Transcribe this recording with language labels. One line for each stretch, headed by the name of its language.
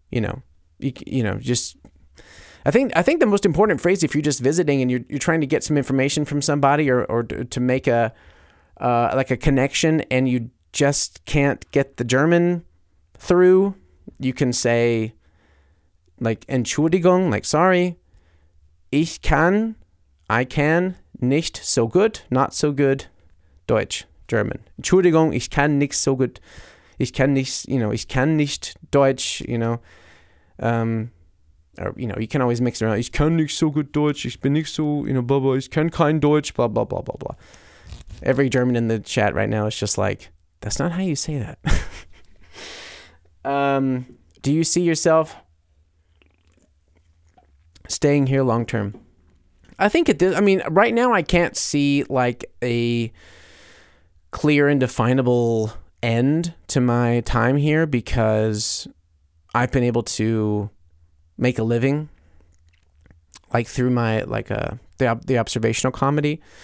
English: You know, I think the most important phrase, if you're just visiting and you're trying to get some information from somebody or to make a connection, and you just can't get the German through, you can say, like,
German: Entschuldigung,
English: like, sorry, I can
German: nicht so gut,
English: not so good,
German: Deutsch,
English: German.
German: Entschuldigung, ich kann nicht so gut, ich kann nicht Deutsch,
English: you know, or, you know, you can always mix it around,
German: ich kann nicht so gut Deutsch, ich bin nicht so,
English: you know, blah, blah,
German: ich kann kein Deutsch,
English: blah, blah, blah, blah, blah. Every German in the chat right now is just like, that's not how you say that. Do you see yourself staying here long term? I think right now I can't see, like, a clear and definable end to my time here, because I've been able to make a living, like, through my, like, the observational comedy.